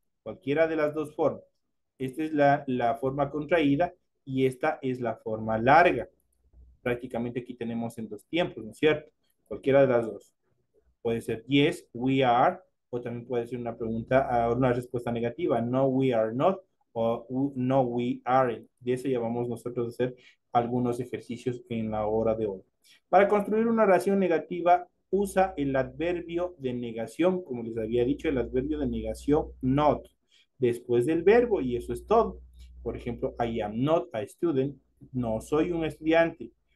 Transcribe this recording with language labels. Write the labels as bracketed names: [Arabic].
[Spanish] Cualquiera de las dos formas. Esta es la forma contraída y esta es la forma larga. Prácticamente aquí tenemos en dos tiempos, ¿no es cierto? Cualquiera de las dos. Puede ser [English] yes, we are, [Spanish] o también puede ser una pregunta o una respuesta negativa. [English] No, we are not, o no, we aren't. [Spanish] De eso ya vamos nosotros a hacer algunos ejercicios en la hora de hoy. Para construir una oración negativa, usa el adverbio de negación, como les había dicho, el adverbio de negación, not, después del verbo, y eso es todo. Por ejemplo, [English] I am not a student, [Spanish] no soy un estudiante.